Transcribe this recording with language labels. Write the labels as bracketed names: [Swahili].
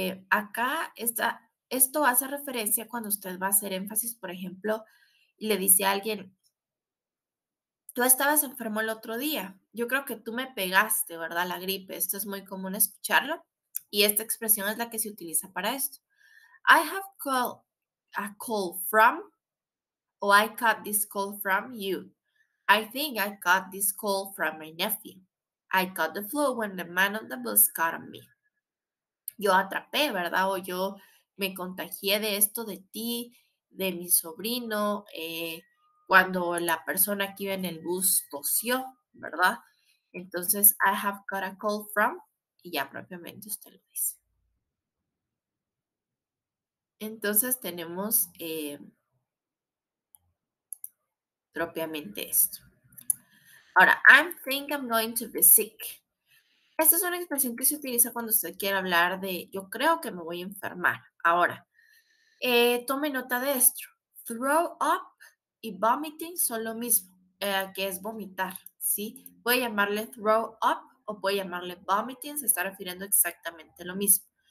[Spanish] Acá está, esto hace referencia cuando usted va a hacer énfasis, por ejemplo, y le dice a alguien, tú estabas enfermo el otro día, yo creo que tú me pegaste, ¿verdad? La gripe, esto es muy común escucharlo, y esta expresión es la que se utiliza para esto. [English] I have got a cold from, o I got this cold from you. I think I got this call from my nephew. I got the flu when the man on the bus got on me. [Spanish] Yo atrapé, ¿verdad? O yo me contagié de esto de ti, de mi sobrino, cuando la persona que iba en el bus tosió, ¿verdad? Entonces, [English] I have got a call from, [Spanish] y ya propiamente usted lo dice. Entonces, tenemos propiamente esto. [English] Ahora, I think I'm going to be sick. [Spanish] Esta es una expresión que se utiliza cuando usted quiere hablar de yo creo que me voy a enfermar. Ahora, tome nota de esto. Throw up y vomiting son lo mismo, que es vomitar, ¿sí? Puede llamarle throw up o puede llamarle vomiting, se está refiriendo exactamente lo mismo.